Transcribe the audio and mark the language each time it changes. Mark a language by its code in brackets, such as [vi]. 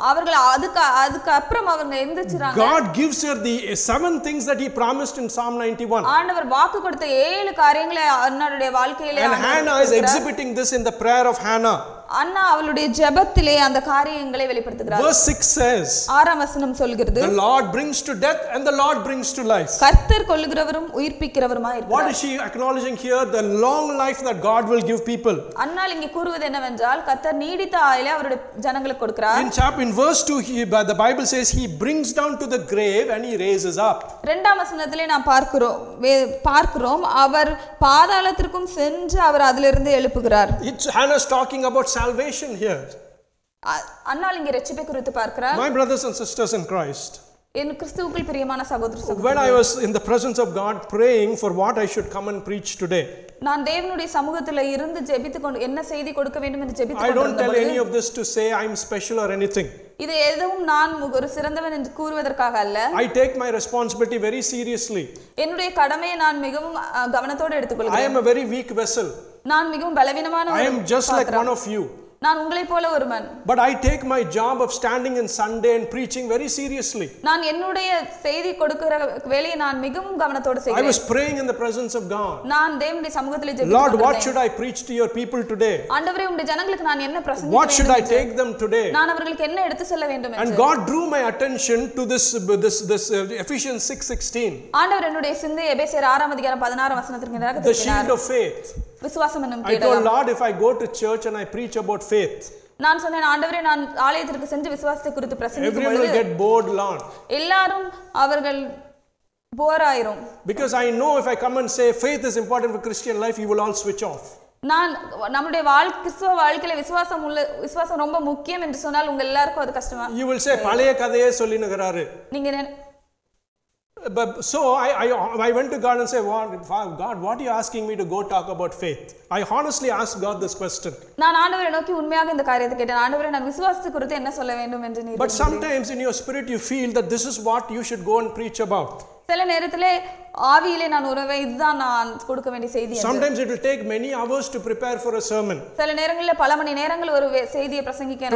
[ta] அவர்கள் அதுக்கு அப்புறம் அவங்க எழுந்திருச்சாங்க. [en] God gives her the 7 things that he promised in Psalm 91. [ta] ஆண்டவர் வாக்கு கொடுத்த 7 காரியங்களை அன்னாருடைய வாழ்க்கையிலே, [en] and Hannah is exhibiting this in the prayer of Hannah. [ta] அண்ணா அவளுடைய ஜெபத்திலே அந்த காரியங்களை வெளிப்படுத்துகிறார். [en] Verse 6 says, [ta] ஆறாம் வசனம் சொல்கிறது, [en] the Lord brings to death and the Lord brings to life. [ta] கர்த்தர் கொல்லுகிறவரும் உயிர்ப்பிக்கிறவருமாய் இருக்கிறார். [en] What is she acknowledging here? The long life that God will give people. [ta] அண்ணா இங்க கூறுவது என்னவென்றால், கர்த்தர் நீடித்த ஆயுளை அவருடைய ஜனங்களுக்கு கொடுக்கிறார். [en] In verse 2 the Bible says he brings down to the grave and he raises up. [ta] இரண்டாம் வசனத்திலே நாம் பார்க்கிறோம், அவர் பாதாளத்திற்கும் சென்று அவர் அதிலிருந்து எழுப்புகிறார். [en] It's Hannah's talking about salvation here. [ta] அன்னால் இங்க ரட்சிப்பை குறித்து பார்க்கிறார். [en] My brothers and sisters in Christ, [ta] என் கிறிஸ்துவுக்குள் பிரியமான சகோதர சகோதரிகளே, [en] when I was in the presence of God praying for what I should come and preach today, [ta] நான் தேவனுடைய சமூகத்தில் இருந்து ஜெபித்துக்கொண்டு என்ன செய்தி கொடுக்க வேண்டும் என்று ஜெபித்துக்கொண்டு, [en] I don't tell any of this to say I'm special or anything. [ta] இது எதுவும் நான் ஒரு சிறந்தவன் என்று கூறுவதற்காக அல்ல. [en] I take my responsibility very seriously. [ta] என்னுடைய கடமையை நான் மிகவும் கவனத்தோடு எடுத்துக்கொள்கிறேன். [en] I am a very weak vessel. [ta] நான் மிகவும் பலவீனமான ஒரு, [en] I am just like one of you. [ta] நான் உங்களைப் போல ஒருவன். [en] But I take my job of standing in Sunday and preaching very seriously. [ta] நான் என்னுடைய செய்தி கொடுக்கிற வேலையை நான் மிகவும் கவனத்தோடு செய்கிறேன். [en] I was praying in the presence of God. [ta] நான் தேவனுடைய சமூகத்திலே ஜெபித்து, [en] Lord, what should I preach to your people today? [ta] ஆண்டவரே, உம்முடைய ஜனங்களுக்கு நான் என்ன பிரசங்கிக்க வேண்டும்? [en] What should I take them today? [ta] நான் அவர்களுக்கு என்ன எடுத்து செல்ல வேண்டும் என்று. [en] And God drew my attention to this Ephesians 6:16. [ta] ஆண்டவர் என்னுடைய சிந்தை எபேசியர் 6 அதிகாரம் 16 வசனத்திற்கு நேராக திருப்பினார். [en] The shield of faith. [ta] விசுவாசம் என்னும் கேடகம். [en] I told Lord if I go to church and I preach about faith, [ta] நான் சொன்னேன், ஆண்டவரே நான் ஆலயத்திற்கு சென்று விசுவாசத்தை குறித்து பிரசங்கிக்கும் பொழுது, [en] everyone will get bored, Lord. [ta] எல்லாரும் அவர்கள் போர் ஆயிரும். [en] Because I know if I come and say faith is important for Christian life, you will all switch off. [ta] நான் நம்முடைய கிறிஸ்துவ வாழ்க்கையில விசுவாசம் உள்ள, விசுவாசம் ரொம்ப முக்கியம் என்று சொன்னால் உங்க எல்லாருக்கும் அது கஷ்டமா? [en] You will say [ta] பழைய கதையே சொல்லினுகிறாரு. நீங்க [en] So I went to God and said, God, what are you asking me to go talk about faith? I honestly asked God this question. [ta] நான் ஆண்டவரை நோக்கி உண்மையாக இந்த காரியத்தை கேட்டேன், ஆண்டவரே நான் விசுவாசத்தை குறித்து என்ன சொல்ல வேண்டும் என்று நீர். [en] But sometimes in your spirit you feel that this is what you should go and preach about. [ta] சில நேரத்திலே ஆவியிலே நான் உறவே இதுதான் நான் கொடுக்க வேண்டிய செய்தி. [en] Sometimes it will take many hours to prepare for a sermon. [ta] சில நேரங்களில் பல மணி நேரங்கள் ஒரு செய்தியை பிரசங்கிக்க.